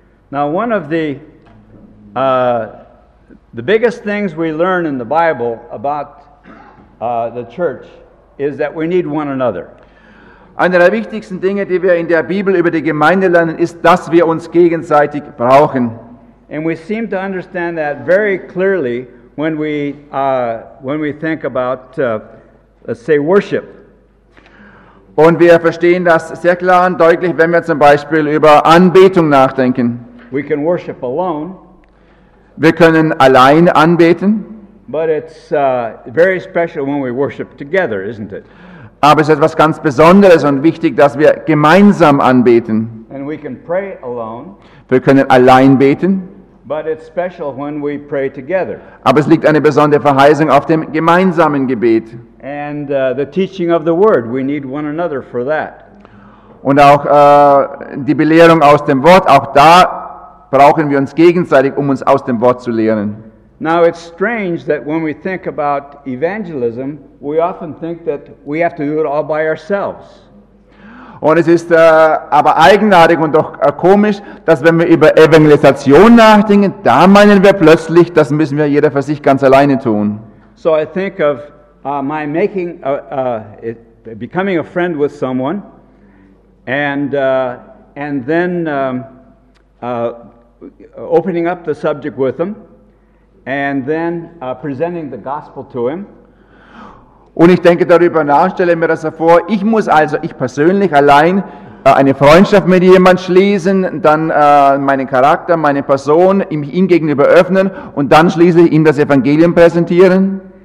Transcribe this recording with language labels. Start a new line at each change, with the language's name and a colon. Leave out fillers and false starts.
English: Now, one of the biggest things we learn in the Bible about the church is that we need one another.
German: Eine der wichtigsten Dinge, die wir in der Bibel über die Gemeinde lernen, ist, dass wir uns gegenseitig brauchen.
English: And we seem to understand that very clearly when we think about let's say worship.
German: Und wir verstehen das sehr klar und deutlich, wenn wir zum Beispiel über Anbetung nachdenken.
English: We can worship alone.
German: Wir können allein anbeten.
English: But it's very special when we worship together, isn't it?
German: Aber es ist etwas ganz Besonderes und wichtig, dass wir gemeinsam anbeten.
English: And we can pray alone.
German: Wir können allein beten.
English: But it's special when we pray together.
German: Aber es liegt eine besondere Verheißung auf dem gemeinsamen Gebet.
English: And the teaching of the word, we need one another for that.
German: Und auch die Belehrung aus dem Wort, auch da brauchen wir uns gegenseitig, um uns aus dem Wort zu lehren.
English: Now it's strange that when we think about evangelism, we often think that we have to do it all by ourselves.
German: Und es ist aber eigenartig und doch komisch, dass wenn wir über Evangelisation nachdenken, da meinen wir plötzlich, das müssen wir jeder für sich ganz alleine tun.
English: So I think of my making becoming a friend with someone and then opening up the subject with them. And then presenting the gospel to him.
German: Und ich denke darüber nach, stelle mir das vor, ich muss also, ich persönlich allein, eine Freundschaft mit jemandem schließen, dann meinen Charakter, meine Person, ihm gegenüber öffnen und dann schließlich ihm das Evangelium präsentieren.